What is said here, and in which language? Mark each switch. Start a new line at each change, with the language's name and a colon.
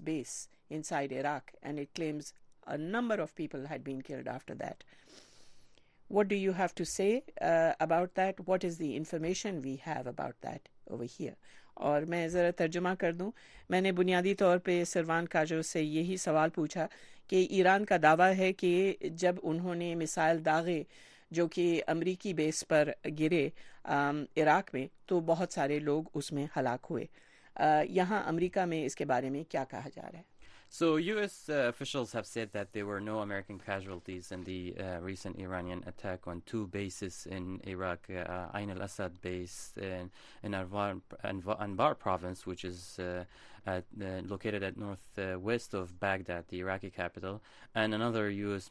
English: base inside Iraq, and it claims a number of people had been killed after that. What do you have to say about that? What is the information we have about that over here?
Urdu: اور میں ذرا ترجمہ کر دوں. میں نے بنیادی طور پہ سروان کاجو سے یہی سوال پوچھا کہ ایران کا دعویٰ ہے کہ جب انہوں نے میسائل داغے جو کہ امریکی بیس پر گرے عراق میں، تو بہت سارے لوگ اس میں ہلاک ہوئے. یہاں امریکہ میں اس کے بارے میں کیا کہا جا رہا ہے؟
English: So U.S. Officials have said that there were no American casualties in the recent Iranian attack on two bases in Iraq, Ain al-Assad base in Anbar province, which is located at northwest of Baghdad, the Iraqi capital, and another U.S.